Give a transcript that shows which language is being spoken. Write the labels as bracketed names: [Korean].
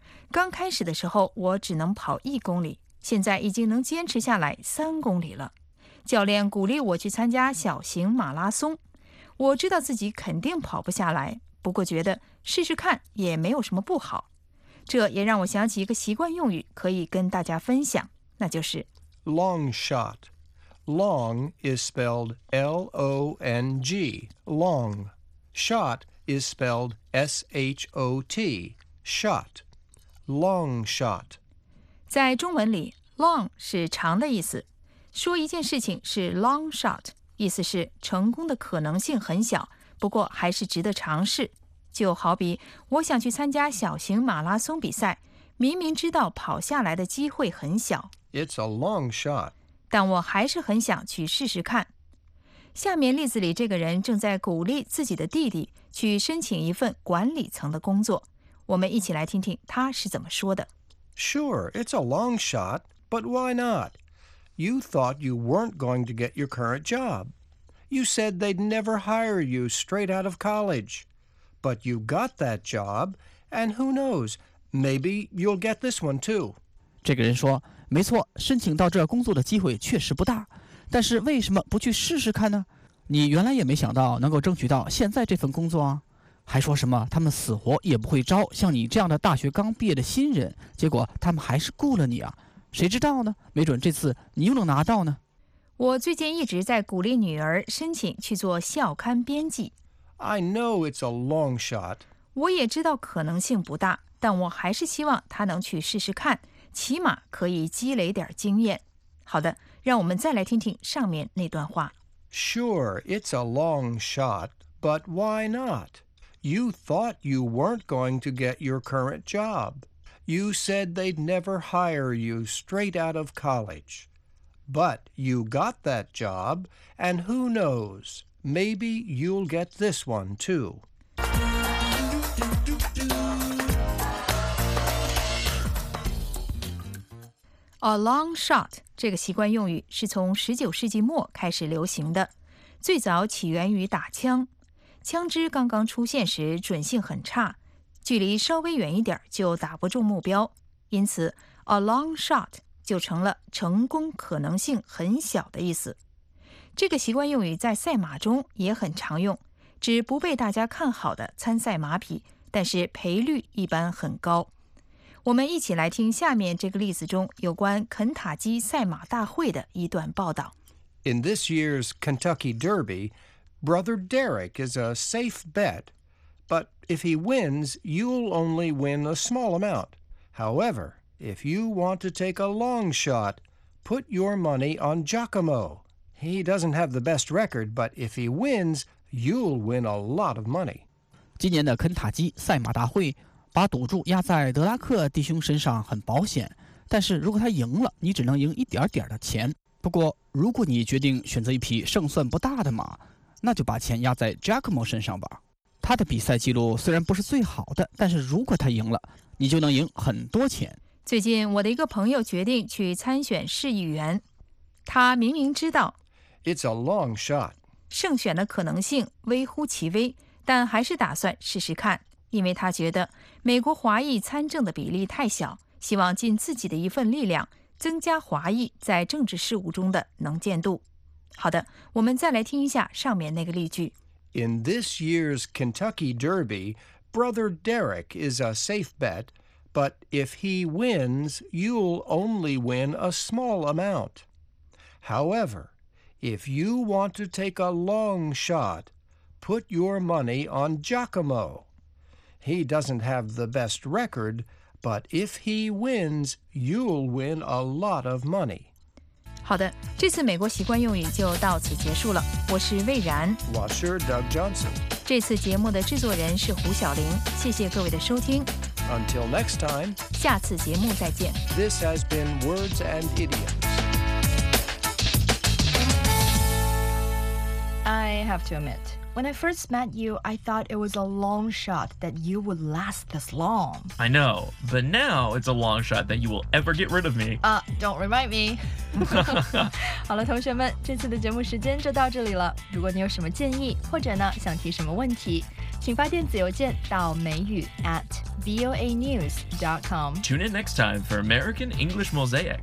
[Chinese] 刚开始的时候，我只能跑1公里，现在已经能坚持下来3公里了。教练鼓励我去参加小型马拉松，我知道自己肯定跑不下来。不过觉得试试看也没有什么不好。这也让我想起一个习惯用语可以跟大家分享，那就是 [English] long shot. Long is spelled L-O-N-G, long. Shot is spelled S-H-O-T, shot. Long shot. [Chinese] 在中文里 long 是长的意思，说一件事情是 long shot， 意思是成功的可能性很小，不过还是值得尝试。就好比我想去参加小型马拉松比赛，明明知道跑下来的机会很小， [English] It's a long shot， [Chinese] 但我还是很想去试试看。下面例子里这个人正在鼓励自己的弟弟去申请一份管理层的工作，我们一起来听听他是怎么说的。 [English] Sure, it's a long shot, but why not? You thought you weren't going to get your current job. You said they'd never hire you straight out of college. But you got that job, and who knows, maybe you'll get this one too. [Chinese] 这个人说，没错，申请到这工作的机会确实不大，但是为什么不去试试看呢？你原来也没想到能够争取到现在这份工作啊，还说什么他们死活也不会招像你这样的大学刚毕业的新人，结果他们还是雇了你啊，谁知道呢？没准这次你又能拿到呢。我最近一直在鼓励女儿申请去做校刊编辑。 [English] I know it's a long shot. [Chinese] 我也知道可能性不大，但我还是希望他能去试试看，起码可以积累点经验。好的，让我们再来听听上面那段话。 [English] Sure, it's a long shot, but why not? You thought you weren't going to get your current job. You said they'd never hire you straight out of college. But you got that job, and who knows? Maybe you'll get this one, too. [Chinese] A long shot 这个习惯用语是从19世纪末开始流行的，最早起源于打枪。枪支刚刚出现时准性很差，距离稍微远一点就打不中目标，因此 a long shot 就成了成功可能性很小的意思。这个习惯用语在赛马中也很常用，指不被大家看好的参赛马匹，但是赔率一般很高。我们一起来听下面这个例子中有关肯塔基赛马大会的一段报道。 [English] In this year's Kentucky Derby, Brother Derek is a safe bet, but if he wins, you'll only win a small amount. However, if you want to take a long shot, put your money on Giacomo. He doesn't have the best record, but if he wins, you'll win a lot of money. [Chinese] 今年的肯塔基赛马大会把赌注压在德拉克弟兄身上很保险，但是如果他赢了，你只能赢一点点的钱。不过如果你决定选择一匹胜算不大的马，那就把钱压在 Giacomo 身上吧。他的比赛记录虽然不是最好的，但是如果他赢了，你就能赢很多钱。最近我的一个朋友决定去参选市议员，他明明知道 [English] It's a long shot. [Chinese] 胜选的可能性微乎其微，但还是打算试试看，因为他觉得美国华裔参政的比例太小，希望尽自己的一份力量，增加华裔在政治事务中的能见度。好的，我们再来听一下上面那个例句。 In this year's Kentucky Derby, Brother Derek is a safe bet, but if he wins, you'll only win a small amount. However,If you want to take a long shot, put your money on Giacomo. He doesn't have the best record, but if he wins, you'll win a lot of money. 好的，这次美国习惯用语就到此结束了。我是魏然，我是 Doug Johnson。这次节目的制作人是胡晓玲，谢谢各位的收听。 [English] Until next time, [Chinese] 下次节目再见。 [English] This has been Words and Idioms. I have to admit, when I first met you, I thought it was a long shot that you would last this long. I know, but now it's a long shot that you will ever get rid of me. Don't remind me. [Chinese] 好了，同学们，这次的节目时间就到这里了。如果你有什么建议，或者呢，想提什么问题，请发电子邮件到mayu@voanews.com. [English] Tune in next time for American English Mosaic.